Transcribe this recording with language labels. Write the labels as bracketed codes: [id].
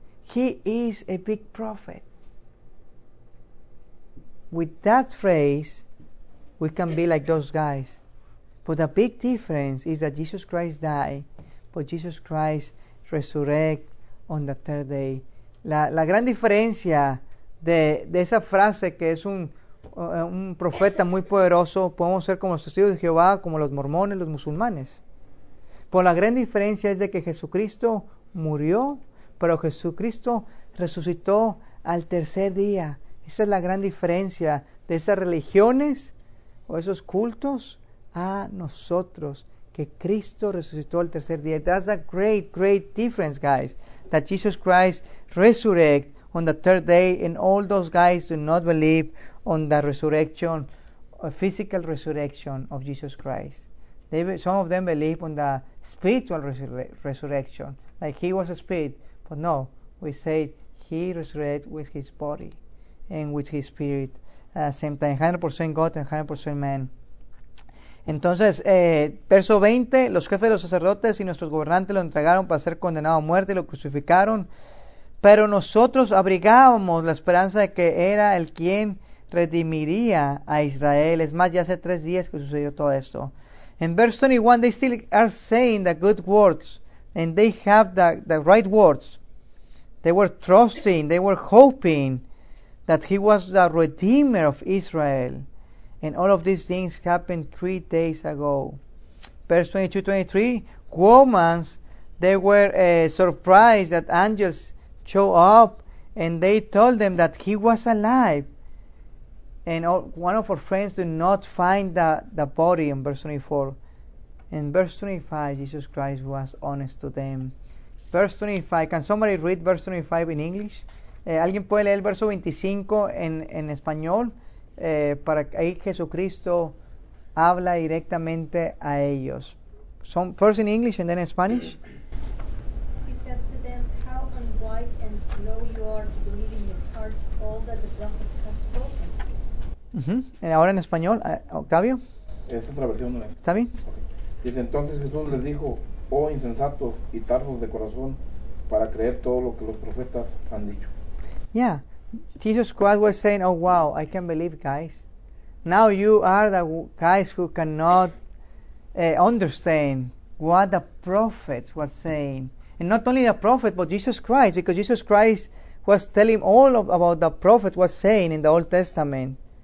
[en] He is a big prophet. With that phrase, we can be like those guys. But the big difference is that Jesus Christ died, but Jesus Christ resurrect on the third day. [es] La gran diferencia de esa frase, que es un profeta muy poderoso, podemos ser como los testigos de Jehová, como los mormones, los musulmanes. Pero la gran diferencia es de que Jesucristo murió, pero Jesucristo resucitó al tercer día. Esa es la gran diferencia de esas religiones o esos cultos a nosotros, que Cristo resucitó al tercer día. [en] That's a great, great difference, guys, that Jesus Christ resurrected on the third day, and all those guys do not believe on the resurrection, a physical resurrection of Jesus Christ. Some of them believe on the spiritual resurrection, like he was a spirit, but no, we say he resurrected with his body and with his spirit at the same time, 100% God and 100% man. [es] Entonces, verso 20, los jefes de los sacerdotes y nuestros gobernantes lo entregaron para ser condenado a muerte y lo crucificaron, pero nosotros abrigábamos la esperanza de que era el quien redimiría a Israel. Es más, ya hace 3 días que sucedió todo esto. [en] En verse 21, they still are saying the good words, and they have the right words. They were trusting, they were hoping that he was the redeemer of Israel. And all of these things happened 3 days ago. Verse 22-23, women, they were surprised that angels showed up, and they told them that he was alive. And one of our friends did not find the body in verse 24. In verse 25, Jesus Christ was honest to them. Verse 25, can somebody read verse 25 in English? [es] ¿Alguien puede leer el verso 25 en español? Para que ahí Jesucristo habla directamente a ellos. [en] First in English and then in Spanish. He said to them, how unwise and slow you are to believe in your hearts all that the prophets have spoken. Uh-huh. [es] Ahora en español, Octavio. Es otra versión. ¿Está bien? Okay. Dice, entonces Jesús les dijo, oh insensatos y tardos de corazón, para creer todo lo que los profetas han dicho. [en] Yeah, Jesus Christ was saying, oh wow, I can't believe, guys. Now you are the guys who cannot understand what the prophets were saying. And not only the prophet, but Jesus Christ, because Jesus Christ was telling all about the prophets was saying in the Old Testament.